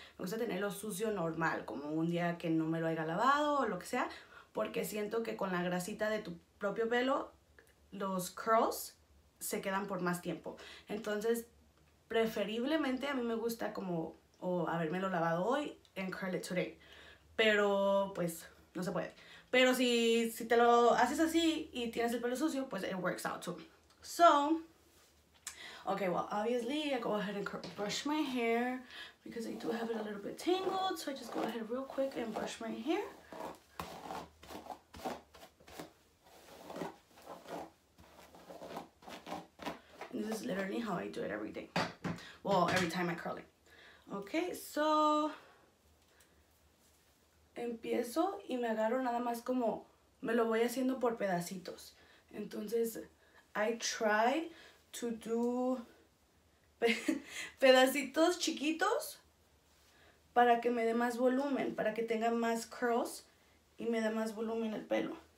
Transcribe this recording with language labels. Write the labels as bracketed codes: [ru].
[es] Me gusta tenerlo sucio normal, como un día que no me lo haya lavado o lo que sea, porque siento que con la grasita de tu propio pelo, los curls se quedan por más tiempo. Entonces, preferiblemente a mí me gusta como habérmelo lavado hoy [en] and curl it today. [es] Pero, pues, no se puede. Pero si te lo haces así y tienes el pelo sucio, pues [en] it works out too. So, okay, well, obviously I go ahead and brush my hair because I do have it a little bit tangled. So I just go ahead real quick and brush my hair. And this is literally how I do it every day. Well, every time I curl it. [es] Okay, so empiezo y me agarro nada más como me lo voy haciendo por pedacitos. Entonces, [en] I try to do [es] pedacitos chiquitos para que me dé más volumen, para que tenga más curls y me dé más volumen el pelo.